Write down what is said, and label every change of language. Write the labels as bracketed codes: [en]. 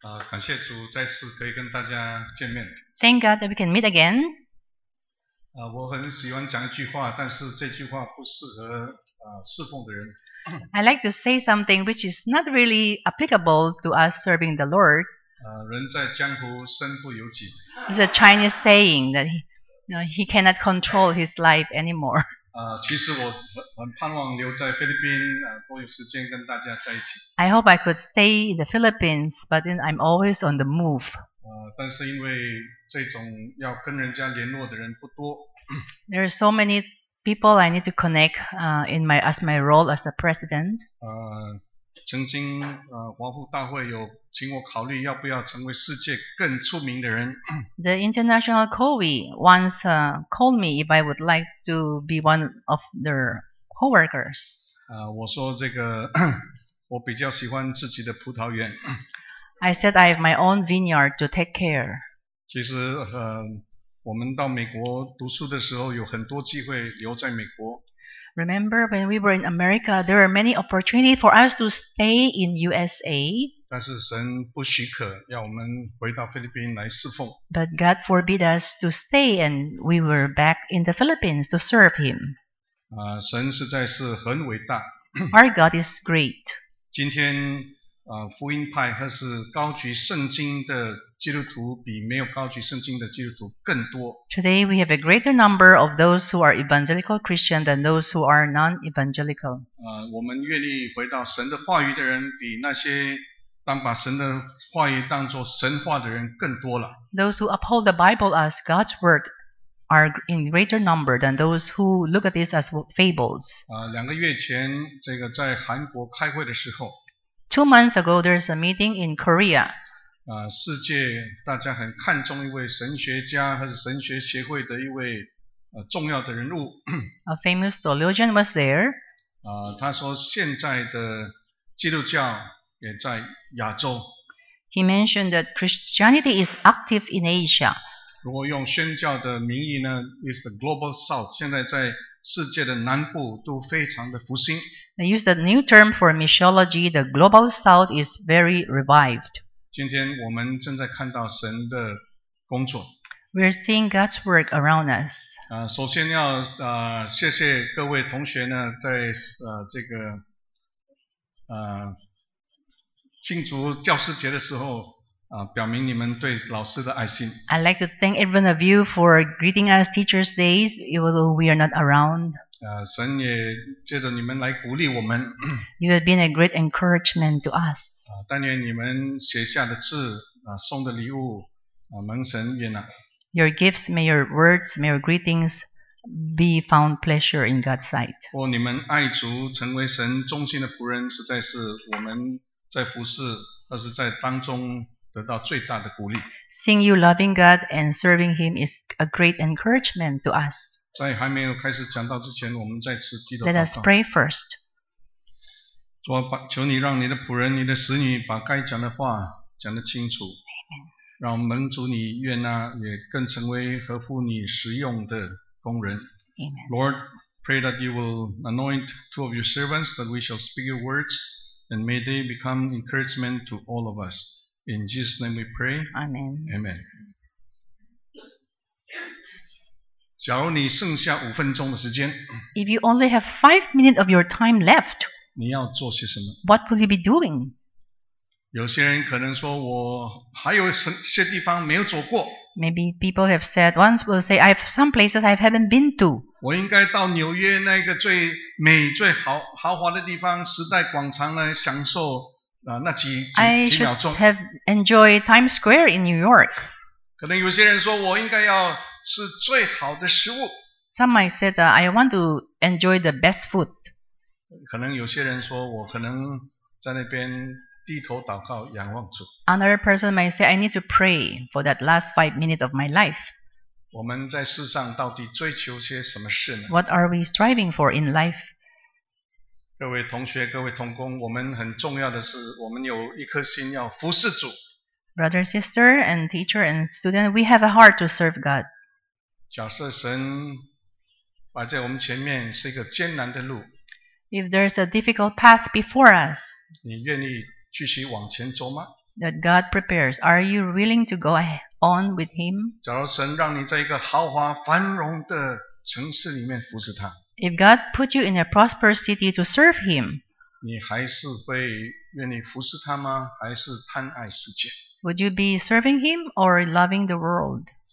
[zh] 感谢主，再次可以跟大家见面。 [en] Thank God that we can meet again. [zh] 我很喜欢讲一句话，但是这句话不适合侍奉的人。 [en] I like to say something which is not really applicable to us serving the Lord. [zh] 人在江湖，身不由己。 [en] It's a Chinese saying that he cannot control his life anymore. [zh] 其实我很盼望留在菲律宾，多有时间跟大家在一起。 [en] I hope I could stay in the Philippines, but then I'm always on the move. [zh] 但是因为这种要跟人家联络的人不多。 [en] There are so many people I need to connect as my role as a president. [zh] 曾经华富大会有请我考虑要不要成为世界更出名的人。 [en] The International COWI once called me if I would like to be one of their co-workers. [zh] 我说这个我比较喜欢自己的葡萄园。 [en] I said I have my own vineyard to take care. [zh] 其实我们到美国读书的时候有很多机会留在美国。 [en] Remember when we were in America, there were many opportunities for us to stay in USA. [zh] 但是神不许可要我们回到菲律宾来侍奉。 [en] But God forbid us to stay and we were back in the Philippines to serve Him. [zh] 神实在是很伟大。 [en] Our God is great. [zh] 今天福音派还是高举圣经的基督徒比没有高举圣经的基督徒更多。 [en] Today we have a greater number of those who are evangelical Christian than those who are non-evangelical. [zh] 我们愿意回到神的话语的人比那些当把神的话语当作神话的人更多了。 [en] Those who uphold the Bible as God's word are in greater number than those who look at this as fables. [zh] 两个月前这个在韩国开会的时候。 [en] 2 months ago, there's a meeting in Korea. [zh] 世界大家很看重一位神学家还是神学协会的一位重要的人物。 [en] A famous theologian was there. [zh] 他说现在的基督教也在亚洲。 [en] He mentioned that Christianity is active in Asia. [zh] 如果用宣教的名义呢 ， [en] is the global south. [zh] 现在在世界的南部都非常的复兴。 [en] They use the new term for missiology. The global south is very revived. [zh] 今天我们正在看到神的工作。 [en] We're seeing God's work around us. [zh] 首先要谢谢各位同学呢，在这个庆祝教师节的时候表明你们对老师的爱心。 [en] I'd like to thank every one of you for greeting us Teachers' Days, even though we are not around. [zh] 神也借着你们来鼓励我们。 [en] You have been a great encouragement to us. [zh] 但愿你们写下的字送的礼物蒙神悦纳。 [en] Your gifts, may your words, may your greetings be found pleasure in God's sight. [zh] 或你们爱主成为神忠心的仆人，实在是我们在服侍或是在当中得到最大的鼓励。 [en] Seeing you loving God and serving Him is a great encouragement to us. [zh] 在还没有开始讲到之前，我们再次低头。 [en] Let us pray first. [zh] 主啊，求你让你的仆人、你的使女把该讲的话讲得清楚，让蒙主你悦纳，也更成为合乎你使用的工人。 [en] Amen. Lord, pray that you will anoint two of your servants that we shall speak your words, and may they become encouragement to all of us. In Jesus' name we pray. Amen. Amen. [zh] 假如你剩下五分钟的时间， [en] If you only have 5 minutes of your time left, [zh] 你要做些什么？ [en] What will you be doing? [zh] 有些人可能说我还有些地方没有走过。 [en] Maybe people have said, once will say, I have some places I haven't been to. [zh] 我应该到纽约那个最美最豪华的地方，时代广场来享受 [en] I should have enjoyed Times Square in New York. [zh] 可能有些人说我应该要吃最好的食物。 [en] Some might say that I want to enjoy the best food. [zh] 可能有些人说我可能在那边低头祷告仰望主。 [en] Another person might say I need to pray for that last 5 minutes of my life. [zh] 我们在世上到底追求些什么事呢？ [en] What are we striving for in life? [zh] 各位同学，各位同工，我们很重要的是，我们有一颗心要服侍主。 [en] Brother, sister, and teacher, and student, we have a heart to serve God. [zh] 假设神摆在我们前面是一个艰难的路。 [en] If there's a difficult path before us, [zh] 你愿意继续往前走吗？ [en] that God prepares, are you willing to go on with Him? [zh] 假如神让你在一个豪华繁荣的城市里面服侍他， [en] if God put you in a prosperous city to serve Him, [zh] 你还是会愿意服侍他吗？还是贪爱世界？ [en] Would you be serving Him or loving the world?